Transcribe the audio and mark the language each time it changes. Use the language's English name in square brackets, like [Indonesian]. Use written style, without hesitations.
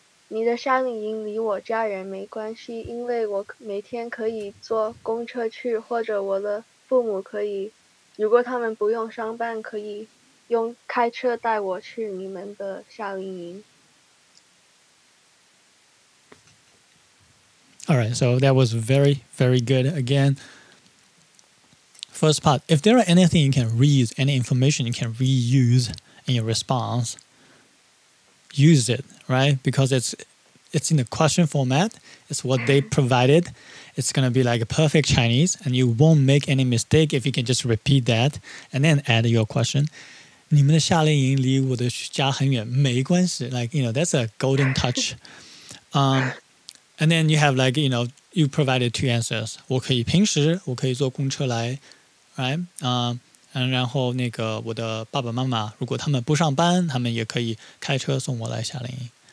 [Chinese] 你的夏令营离我家人没关系，因为我每天可以坐公车去，或者我的父母可以，如果他们不用上班，可以用开车带我去你们的夏令营。 [English] All right, so that was very, very good. Again, first part, if there are anything you can reuse, any information you can reuse in your response, use it, right? Because it's in the question format. It's what they provided. It's going to be like a perfect Chinese, and you won't make any mistake if you can just repeat that and then add your question. [Chinese] 你们的夏令营离我的家很远，没关系。 [English] Like, you know, that's a golden touch. And then you have, like, you know, you provided two answers. [Chinese] 我可以平时，我可以坐公车来， [English] right? [Chinese] And 然后那个我的爸爸妈妈，如果他们不上班，他们也可以开车送我来夏令营。